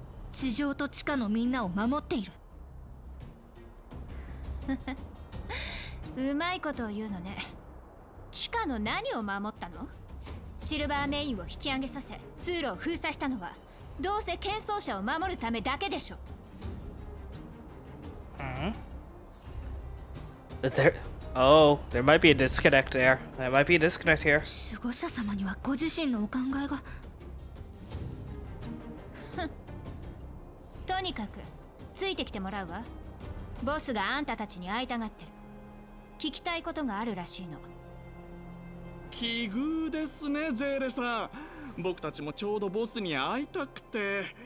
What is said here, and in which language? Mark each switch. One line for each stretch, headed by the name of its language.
Japanese: 地上と地下のみんなを守っている。うまいことを言うのね。地下の何を守ったの？シルバーメインを引き上げさせ通路を封鎖したのはどうせ喧騒者を守るためだけでしょ。うん、
English: There, oh, there might be a disconnect there. There might be a disconnect here.
Japanese: 守護者様にはご自身のお考えが。とにかくついてきてもらうわ。ボスがあんたたちに会いたがってる。聞きたいことがあるらしいの。奇遇ですね、ゼーレさん。僕たちもちょうどボスに会いたくて。